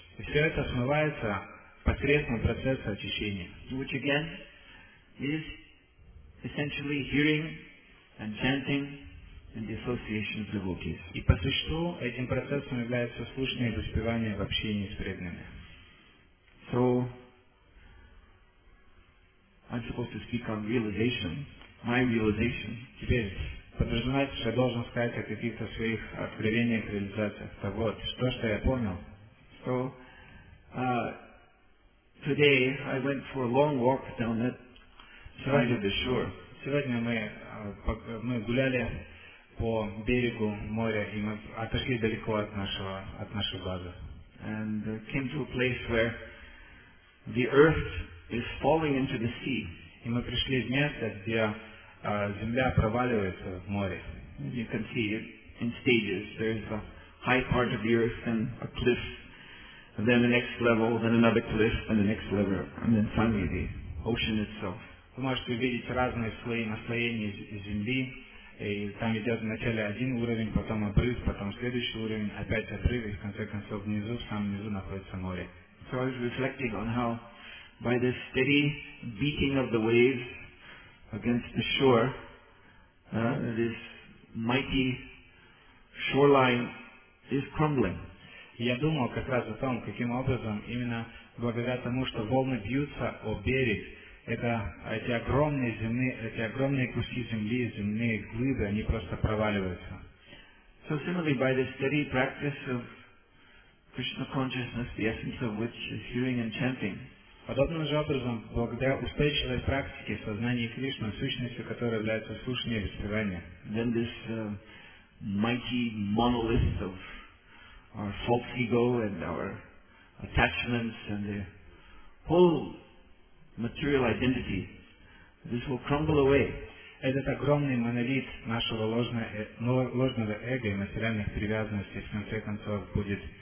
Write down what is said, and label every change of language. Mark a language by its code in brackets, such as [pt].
[ru] И все это смывается посредством процесса очищения. [en] Which again is essentially hearing and chanting and the association of devotees. [ru] И по существу этим процессом является слушание и воспевание в общении с преданными. [en] So, I'm supposed to speak on realization, my realization. [ru] Теперь подразумевается, что я должен сказать о каких-то своих откровениях, реализациях. Так вот, что, что я понял. [en] So, today I went for a long walk down that side of the shore. [ru] Сегодня мы гуляли по берегу моря и мы отошли далеко от нашей базы. [en] And came to a place where the earth is falling into the sea. [ru] И мы пришли в место, где земля проваливается в море. [en] You can see it in stages. There is a high part of the earth and a cliff. And then the next level, then another cliff, then the next level, and then finally the ocean itself. [ru] вы можете увидеть разные слои настроения земли, и там идет вначале один уровень, потом обрыв, потом следующий уровень, опять обрыв, и в конце концов внизу, в самом низу находится море. [en] So I was reflecting on how by the steady beating of the waves against the shore, this mighty shoreline is crumbling. [ru] Я думал как раз о том, каким образом именно благодаря тому, что волны бьются о берег, эти огромные куски земли, земные глыбы, они просто проваливаются. [en] So similarly, by the steady practice of Krishna consciousness, the essence of which is hearing and chanting. [ru] Подобным же образом, благодаря устойчивой практике сознания Кришны, сущностью которой является слушание и воспевание. [en] Then this mighty monolith of our false ego and our attachments and the whole material identity, this will crumble away. [ru] Этот огромный монолит нашего ложного эго и материальных привязанностей в конце концов будет